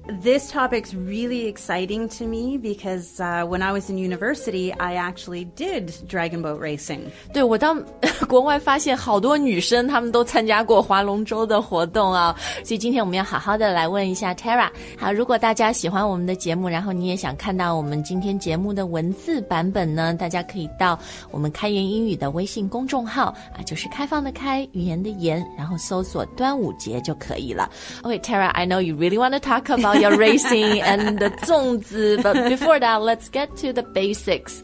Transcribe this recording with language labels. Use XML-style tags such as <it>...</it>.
<en>This topic's really exciting to me because when I was in university, I actually did dragon boat racing.</en> <zh>对，我到国外发现好多女生她们都参加过划龙舟的活动啊。所以今天我们要好好的来问一下 Tara。好，如果大家喜欢我们的节目，然后你也想看到我们今天节目的文字版本呢，大家可以到我们开言英语的微信公众号啊，就是开放的开，语言的言，然后搜索端午节就可以了。</zh> <en>Okay, Tara, I know you really want to talk about your racing and the 粽子, but before that, let's get to the basics.</en>